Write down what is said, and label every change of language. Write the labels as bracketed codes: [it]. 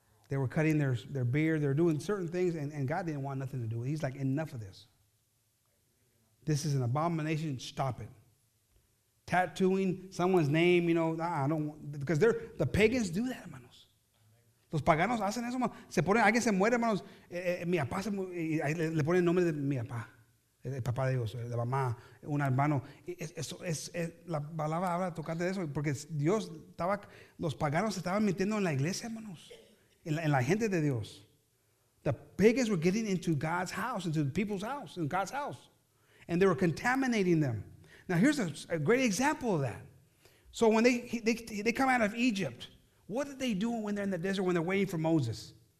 [en] They were cutting their beard. They were doing certain things, and God didn't want nothing to do with it. He's like, enough of this. This is an abomination. Stop it. Tattooing someone's name, you know, I don't want, because they're, the pagans do that, hermanos. [es] Los paganos hacen eso, hermanos. Se ponen, alguien se muere, hermanos. Mi papá se muere, le ponen el nombre de mi papá. El papá de Dios, la mamá, un hermano. Eso es la palabra habla tocante de eso, porque Dios estaba, los paganos estaban metiendo en la iglesia, hermanos. En la gente de Dios. [en] The pagans were getting into God's house, into the people's house, in God's house. And they were contaminating them. Now, here's a great example of that. So when they come out of Egypt, what did they do when they're in the desert, when they're waiting for Moses?